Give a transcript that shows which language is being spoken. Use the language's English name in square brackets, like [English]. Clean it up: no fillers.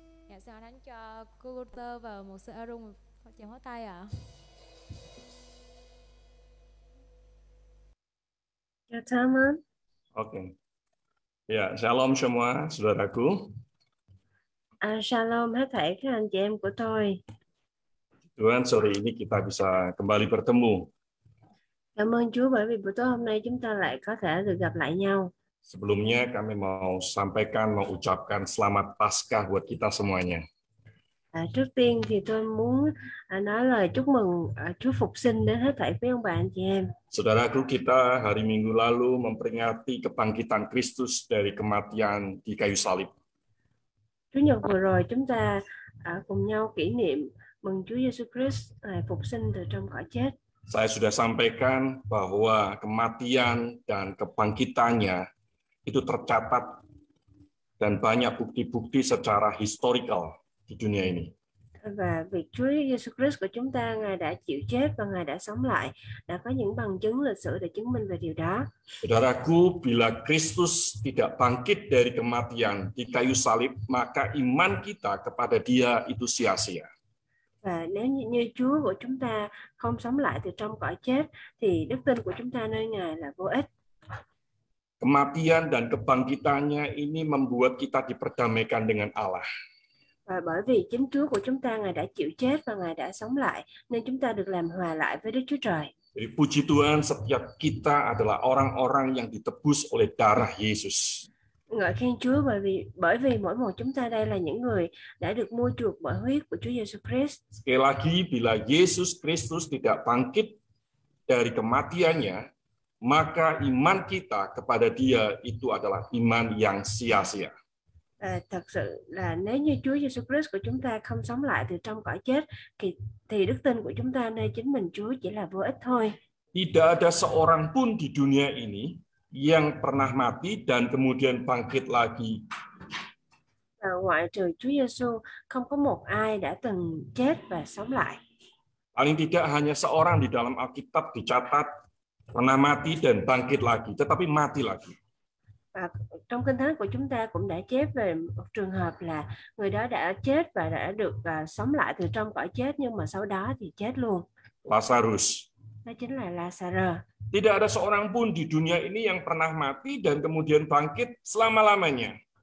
[Vietnamese] Dạ, xin mời thánh cho cô Ruter và mục sư Arun chào hóa tay ạ. Dạ, cảm ơn. [Indonesian] Ok. Dạ, shalom semua, saudaraku. [Vietnamese] Shalom hết thảy các anh chị em của tôi. [Indonesian] Tuhan, sore ini kita bisa kembali bertemu. [Vietnamese] Cảm ơn Chúa bởi vì buổi tối hôm nay chúng ta lại có thể được gặp lại nhau. [Indonesian] Sebelumnya kami mau sampaikan, mau ucapkan selamat Paskah buat kita semuanya. [Vietnamese] Trước tiên thì tôi muốn nói lời chúc mừng Chúa Phục Sinh đến hết thảy quý ông bà anh chị em. [Indonesian] Saudaraku, kita hari Minggu lalu memperingati kebangkitan Kristus dari kematian di kayu salib. [Vietnamese] Chủ nhật vừa rồi chúng ta cùng nhau kỷ niệm mừng Chúa Giêsu Christ phục sinh từ trong cõi chết. [Indonesian] Saya sudah sampaikan bahwa kematian dan kebangkitannya itu tercatat dan banyak bukti-bukti secara historical di dunia ini. [Vietnamese] Và việc Chúa Giêsu Christ của chúng ta ngài đã chịu chết và ngài đã sống lại đã có những bằng chứng lịch sử để chứng minh về điều đó. [Indonesian] Saudaraku, bila Kristus tidak bangkit dari kematian di kayu salib, maka iman kita kepada Dia itu sia-sia. [Vietnamese] Và nếu như Chúa của chúng ta không sống lại từ trong cõi chết thì đức tin của chúng ta nơi ngài là vô ích. [Indonesian] Kematian dan kebangkitannya ini membuat kita diperdamaikan dengan Allah. [Vietnamese] Và bởi vì chính Chúa của chúng ta ngài đã chịu chết và ngài đã sống lại nên chúng ta được làm hòa lại với Đức Chúa Trời. [Indonesian] Jadi, puji Tuhan, setiap kita adalah orang-orang yang ditebus oleh darah Yesus. [Vietnamese] Ngợi khen Chúa bởi vì mỗi một chúng ta đây là những người đã được mua chuộc bởi huyết của Chúa Giêsu Christ. [Indonesian] Sekali lagi, bila Yesus Kristus tidak bangkit dari kematiannya, maka iman kita kepada Dia itu adalah iman yang sia-sia. [Vietnamese] Thật sự là nếu như Chúa Giêsu Christ của chúng ta không sống lại từ trong cõi chết thì đức tin của chúng ta nơi chính mình Chúa chỉ là vô ích thôi. [Indonesian] Tidak ada seorang pun di dunia ini yang pernah mati dan kemudian bangkit lagi. [Vietnamese] Ngoại trừ Chúa Giêsu không có một ai đã từng chết và sống lại. [Indonesian] Paling tidak hanya seorang di dalam Alkitab dicatat pernah mati dan bangkit lagi, tetapi mati lagi. [Vietnamese] Và trong Kinh Thánh của chúng ta cũng đã chép về một trường hợp là người đó đã chết và đã được sống lại từ trong cõi chết nhưng mà sau đó thì chết luôn. [Indonesian] Lazarus. [Vietnamese] Đó chính là Lazarus. [Indonesian] Tidak ada seorang pun di dunia ini yang pernah mati dan kemudian bangkit selama-lamanya.